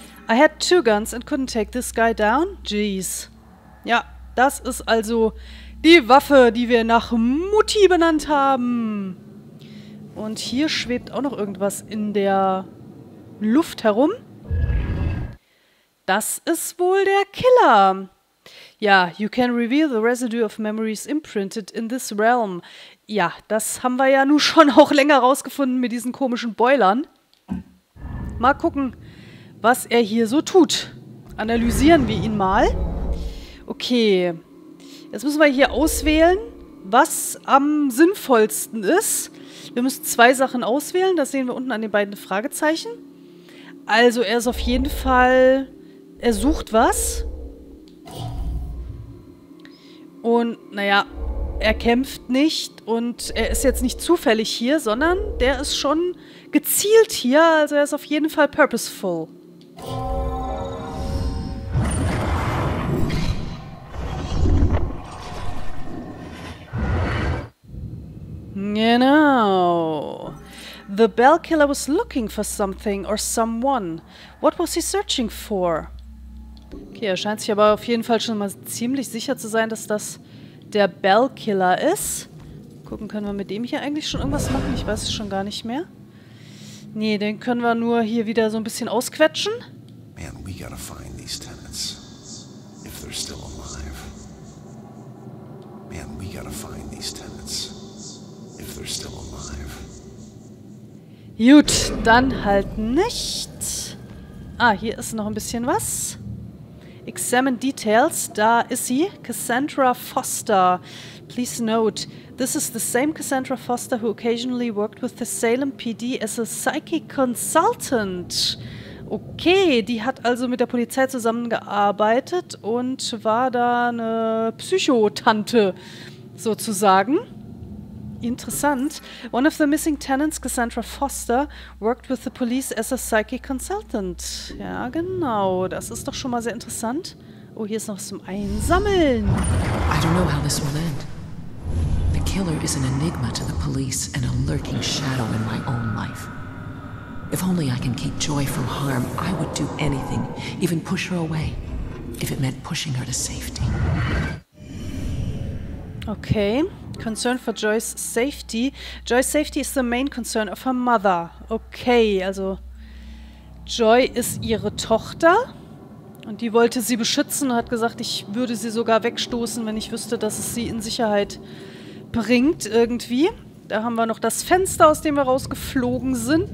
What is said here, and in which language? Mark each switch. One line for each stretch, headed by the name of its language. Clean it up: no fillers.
English: I had two guns and couldn't take this guy down. Jeez.
German: Ja, das ist also die Waffe, die wir nach Mutti benannt haben. Und hier schwebt auch noch irgendwas in der Luft herum. Das ist wohl der Killer.
English: Ja, you can reveal the residue of memories imprinted in this realm.
German: Ja, das haben wir ja nun schon auch länger rausgefunden mit diesen komischen Boilern. Mal gucken, was er hier so tut. Analysieren wir ihn mal. Okay. Jetzt müssen wir hier auswählen, was am sinnvollsten ist. Wir müssen zwei Sachen auswählen. Das sehen wir unten an den beiden Fragezeichen. Also, er ist auf jeden Fall. Er sucht was. Und, naja, er kämpft nicht und er ist jetzt nicht zufällig hier, sondern der ist schon gezielt hier, also er ist auf jeden Fall purposeful. Genau.
English: The bell killer was looking for something or someone. What was he searching for?
German: Okay, er scheint sich aber auf jeden Fall schon mal ziemlich sicher zu sein, dass das der Bellkiller ist. Gucken, können wir mit dem hier eigentlich schon irgendwas machen? Ich weiß es schon gar nicht mehr. Nee, den können wir nur hier wieder so ein bisschen ausquetschen.
English: Man, we gotta find these tenants. If they're still alive. Man, we gotta find these tenants. If they're still alive.
German: Gut, dann halt nicht. Ah, hier ist noch ein bisschen was.
English: Examine details.
German: Da ist sie. Cassandra Foster.
English: Please note, this is the same Cassandra Foster who occasionally worked with the Salem PD as a psychic consultant.
German: Okay, die hat also mit der Polizei zusammengearbeitet und war da eine Psychotante sozusagen. Interessant.
English: One of the missing tenants, Cassandra Foster, worked with the police as a psychic consultant.
German: Ja, genau. Das ist doch schon mal sehr interessant. Oh, hier ist noch was zum Einsammeln.
English: I don't know how this will end. The killer is an enigma to the police and a lurking shadow in my own life. If only I can keep Joy from harm, I would do anything, even push her away, if it meant pushing her to safety. Okay, concern for Joy's safety. Joy's safety is the main concern of her mother.
German: Okay, also Joy ist ihre Tochter und die wollte sie beschützen und hat gesagt, ich würde sie sogar wegstoßen, wenn ich wüsste, dass es sie in Sicherheit bringt irgendwie. Da haben wir noch das Fenster, aus dem wir rausgeflogen sind.